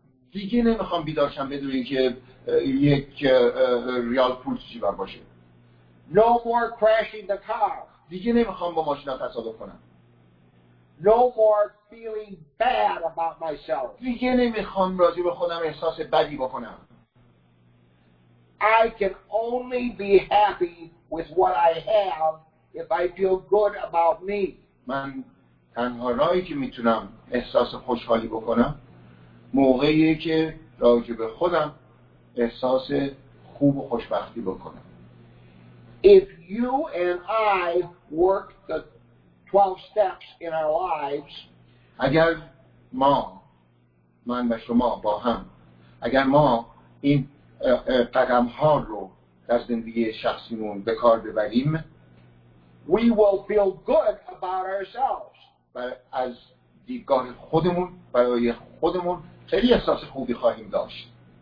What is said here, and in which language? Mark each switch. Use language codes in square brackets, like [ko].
[fa] دیگه نمیخوام بیدار شم بدون اینکه یک ریال پول تو جیبم باشه. [en] No more crashing the car. [fa] دیگه نمیخوام با ماشین تصادف کنم. [en] No more feeling bad about myself. [fa] دیگه نمیخوام راجع به خودم احساس بدی بکنم. [en] I can only be happy with what I have if I feel good about me. [fa] من تنها راهی که میتونم احساس خوشحالی بکنم موقعی که راجع به خودم احساس خوب و خوشبختی بکنم. [en] If you and I work the 12 steps in our lives, [fa] اگر ما من و شما با هم اگر ما این قدم ها رو در زندگی شخصیمون به کار ببریم، [en] we will feel good about ourselves. [fa] از دیدگاه خودمون برای خودمون خیلی احساس خوبی خواهیم داشت.